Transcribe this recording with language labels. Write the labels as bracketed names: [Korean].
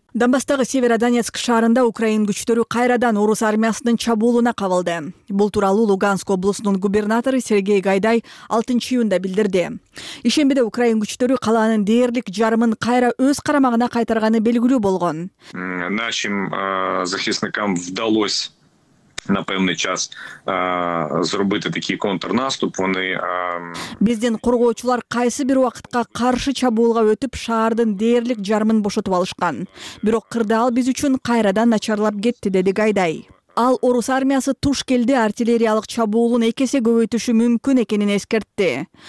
[Kyrgyz] Донбасстагы Северодонецк шаарында украин күчтөрү кайрадан орус армиясынын чабуулуна кабылды. Бул тууралуу Луганск облусунун губернатору Сергей Гайдай 6-июнда билдирди. Ишембиде украин күчтөрү калаанын дээрлик жарымын кайра өз карамагына кайтарганы белгилүү болгон. [Ukrainian] Нашим захисникам вдалось на певний час зробити такий контрнаступ. Вони [Kyrgyz] биздин коргоочулар кайсы бир убакытка каршы чабуулга өтүп шаардын дээрлик жарымын бошотуп алышкан, бирок кырдаал биз үчүн кайрадан начарлап кетти, деди Гайдай. Ал орус армиясы туш келди артиллериялык чабуулун эки эсе көбөйтүшү мүмкүн экенин эскертти.